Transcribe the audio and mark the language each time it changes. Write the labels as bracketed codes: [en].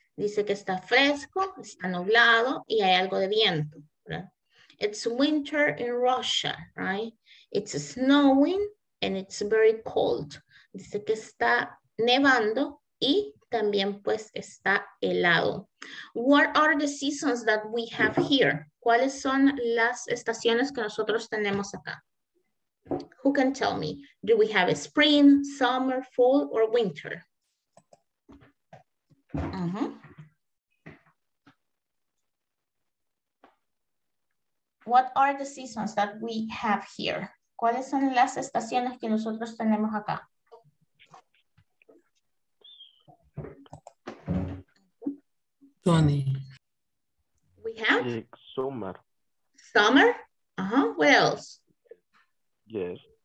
[es] Dice que está fresco, está nublado y hay algo de viento, ¿verdad? [en] It's winter in Russia, right? It's snowing and it's very cold. [es] Dice que está nevando y también pues está helado. [en] What are the seasons that we have here? [es] ¿Cuáles son las estaciones que nosotros tenemos acá? [en] Who can tell me? Do we have a spring, summer, fall, or winter? What are the seasons that we have here? [es] ¿Cuáles son las estaciones que nosotros tenemos acá? Tony. [en] We have? Summer. Summer? Uh-huh. What else? Yes.